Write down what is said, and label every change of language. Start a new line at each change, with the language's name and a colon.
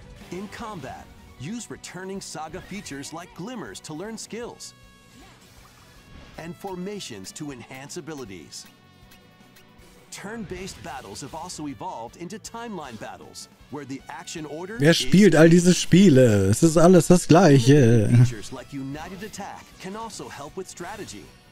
English: In combat, use returning saga features like glimmers to learn skills and formations to enhance abilities. Turn-based battles have also evolved into timeline battles, where the action order.
German: Wer spielt all diese Spiele? Es ist alles das Gleiche.
English: Features like United Attack can also help with strategy.